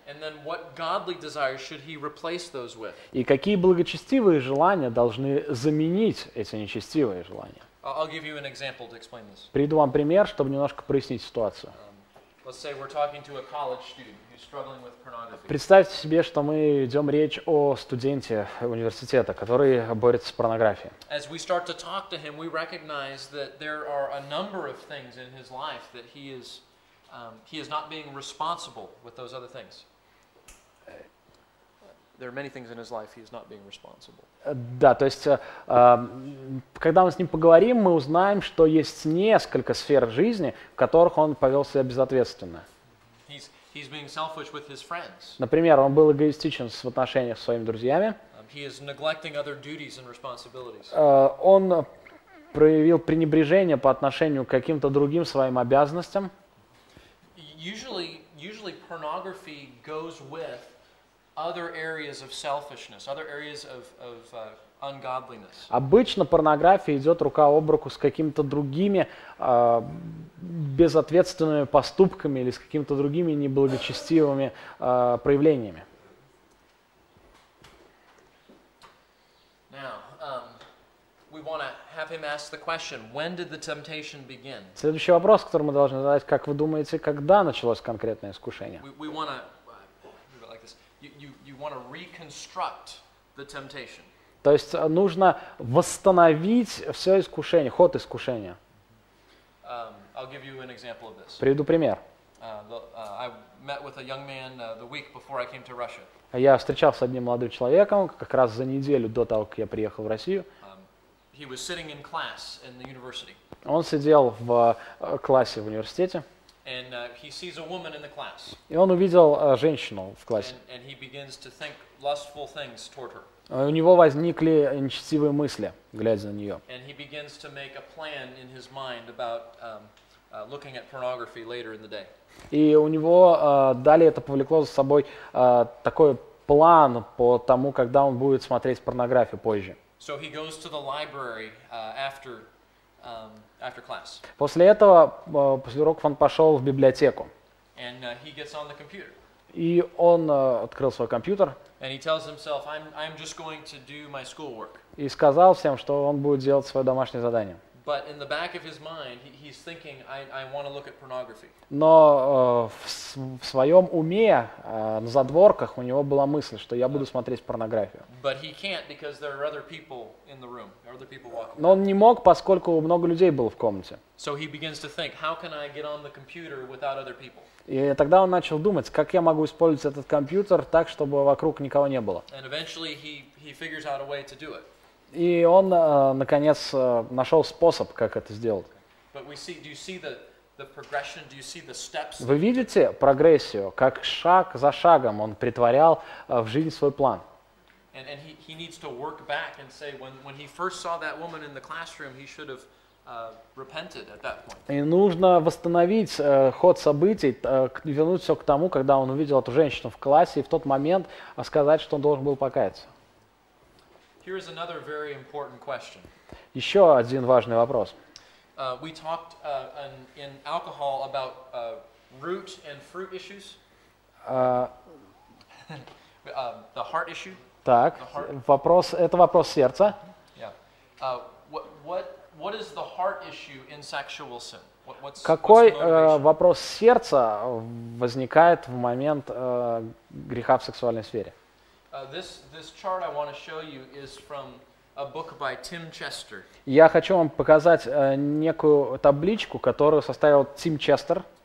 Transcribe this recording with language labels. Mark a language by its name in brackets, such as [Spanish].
[English] And then what godly desires should he replace those with? [Russian] И какие благочестивые желания должны заменить эти нечестивые желания? [English] I'll give you an example to explain this. [Russian] Приведу вам пример, чтобы немножко прояснить ситуацию. [English] Let's say we're talking to a college student who's struggling with pornography. [Russian] Представьте себе, что мы идем речь о студенте университета, который борется с порнографией. [English] As we start to talk to him, we recognize that there are a number of things in his life that he is not being responsible with those other things. There are many things in his life he is not being responsible. [Russian] Да, то есть, когда мы с ним поговорим, мы узнаем, что есть несколько сфер жизни, в которых он повел себя безответственно. [English] He's being selfish with his friends. [Russian] Например, он был эгоистичен в отношениях со своими друзьями. [English] He is neglecting other duties and responsibilities. [Russian] Он проявил пренебрежение по отношению к каким-то другим своим обязанностям. [English] Usually pornography goes with other areas of selfishness, other areas of ungodliness. [Russian] Обычно порнография идет рука об руку с какими-то другими безответственными поступками или с какими-то другими неблагочестивыми проявлениями. [English] Now, we want to have him ask the question: when did the temptation begin? [Russian] Следующий вопрос, который мы должны задать: как вы думаете, когда началось конкретное искушение? [English] We want to You want to reconstruct the temptation. [Russian] То есть нужно восстановить все искушение, ход искушения. [English] I'll give you an example of this. [Russian] Приведу пример. [English] I met with a young man the week before I came to Russia. [Russian] Я встречался с одним молодым человеком как раз за неделю до того, как я приехал в Россию. [English] He was sitting in class in the university. [Russian] Он сидел в классе в университете. [English] And he sees a woman in the class. [Russian] И он увидел женщину в классе. [English] And he begins to think lustful things toward her. [Russian] У него возникли нечестивые мысли, глядя на нее. [English] And he begins to make a plan in his mind about looking at pornography later in the day. [Russian] И у него далее это повлекло за собой такой план по тому, когда он будет смотреть порнографию позже. [English] So he goes to the library after. After class. [Russian] После этого, после уроков, он пошел в библиотеку. [English] And he gets on the computer. [Russian] И он открыл свой компьютер. [English] And he tells himself, I'm just going to do my schoolwork. [Russian] И сказал всем, что он будет делать свое домашнее задание. [English] But in the back of his mind, he's thinking, I want to look at pornography. [Russian] Но в своем уме, на задворках, у него была мысль, что я буду смотреть порнографию. [English] But he can't because there are other people in the room, other people walking. [Russian] Но он не мог, поскольку много людей было в комнате. [English] So he begins to think, how can I get on the computer without other people? [Russian] И тогда он начал думать, как я могу использовать этот компьютер так, чтобы вокруг никого не было. [English] And eventually he figures out a way to do it. [Russian] И он, наконец, нашел способ, как это сделать. Вы видите прогрессию, как шаг за шагом он притворял в жизнь свой план? [English] And he needs to work back and say, when he first saw that woman in the classroom, he should have repented at that point. [Russian] И нужно восстановить ход событий, вернуть все к тому, когда он увидел эту женщину в классе, и в тот момент сказать, что он должен был покаяться. [English] Here is another very important question. [Russian] Еще один важный вопрос. [English] We talked in alcohol about root and fruit issues. The heart issue. [Russian] Так, вопрос, это вопрос сердца. [English] Yeah. What is the heart issue in sexual sin? What's [Russian] какой вопрос сердца возникает в момент греха в сексуальной сфере? [English] This chart I want to show you is from a book by Tim Chester. [Russian] Я хочу вам показать некую табличку, которую составил Тим Честер.